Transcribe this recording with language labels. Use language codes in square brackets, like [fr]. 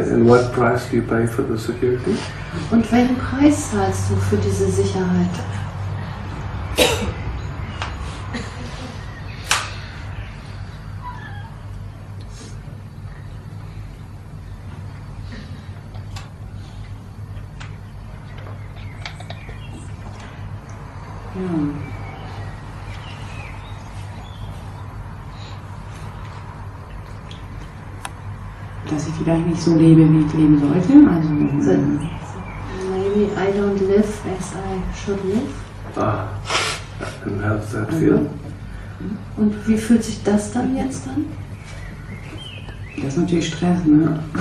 [en] And what price do you pay for the security? [de] Und welchen Preis zahlst du für diese Sicherheit? Vielleicht nicht so lebe, wie ich leben sollte. Also, so, [en] maybe I don't live as I should live. Ah, and how does that feel? [de] Und wie fühlt sich das dann jetzt an? Das ist natürlich Stress, ne?